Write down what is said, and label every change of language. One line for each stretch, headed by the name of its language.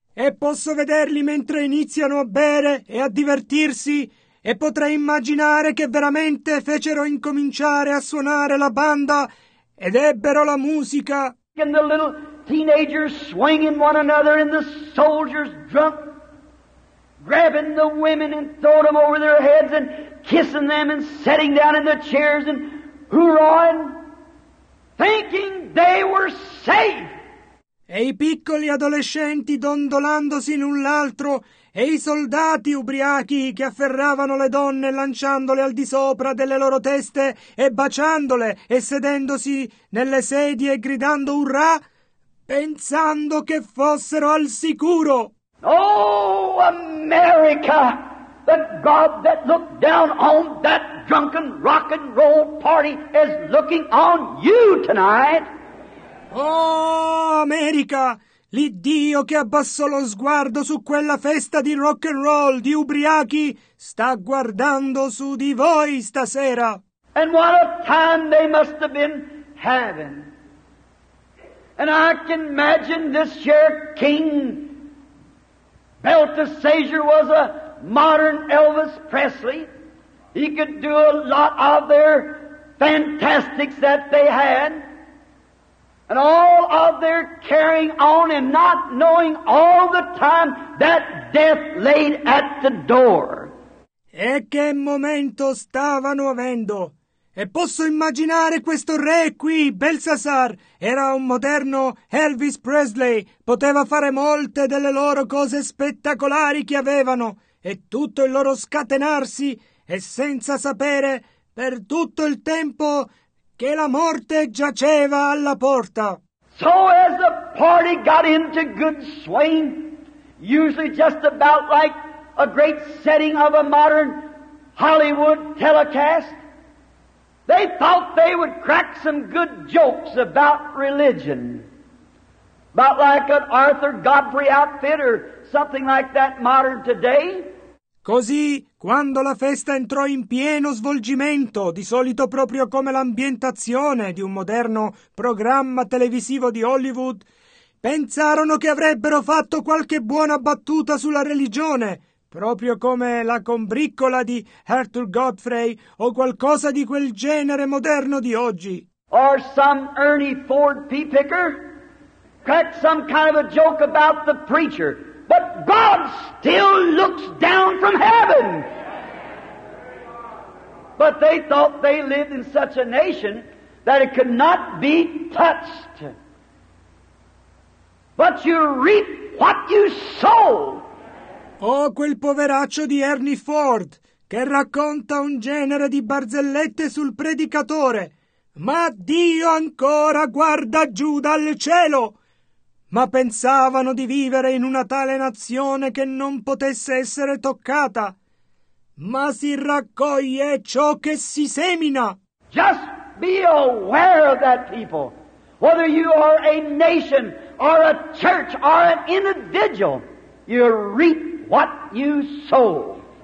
Italian: E posso vederli mentre iniziano a bere e a divertirsi e potrei immaginare che veramente fecero incominciare a suonare la banda ed ebbero la musica.
English: And the little teenagers swinging one another, and the soldiers drunk, grabbing the women and throwing them over their heads and kissing them and sitting down in the chairs and hurrahing, thinking they were safe.
Italian: E i piccoli adolescenti dondolandosi in un l'altro, e i soldati ubriachi che afferravano le donne lanciandole al di sopra delle loro teste e baciandole e sedendosi nelle sedie e gridando urrà, pensando che fossero al sicuro.
English: Oh, America, the God that looked down on that drunken rock and roll party is looking on you tonight.
Italian: Oh, America, l'Iddio che abbassò lo sguardo su quella festa di rock and roll di ubriachi sta guardando su di voi stasera.
English: And what a time they must have been having. And I can imagine this year King Belteshazzar was a modern Elvis Presley. He could do a lot of their fantastics that they had. And all of their carrying on and not knowing all the time that death laid at the door.
Italian: E che momento stavano avendo? E posso immaginare questo re qui, Belshazzar, era un moderno Elvis Presley, poteva fare molte delle loro cose spettacolari che avevano, e tutto il loro scatenarsi, e senza sapere, per tutto il tempo che la morte giaceva alla porta.
English: So as the party got into good swing, usually just about like a great setting of a modern Hollywood telecast, they thought they would crack some good jokes about religion. About like an Arthur Godfrey outfit or something like that modern today.
Italian: Così, quando la festa entrò in pieno svolgimento, di solito proprio come l'ambientazione di un moderno programma televisivo di Hollywood, pensarono che avrebbero fatto qualche buona battuta sulla religione, proprio come la combriccola di Arthur Godfrey o qualcosa di quel genere moderno di oggi.
English: Or some Ernie Ford pea picker cracked some kind of a joke about the preacher. But God still looks down from heaven. But they thought they lived in such a nation that it could not be touched. But you reap what you sow.
Italian: Oh, quel poveraccio di Ernie Ford che racconta un genere di barzellette sul predicatore. Ma Dio ancora guarda giù dal cielo. Ma pensavano di vivere in una tale nazione che non potesse essere toccata. Ma si raccoglie ciò che si semina.
English: Just be aware of that people. Whether you are a nation or a church or an individual, you reap what you sow.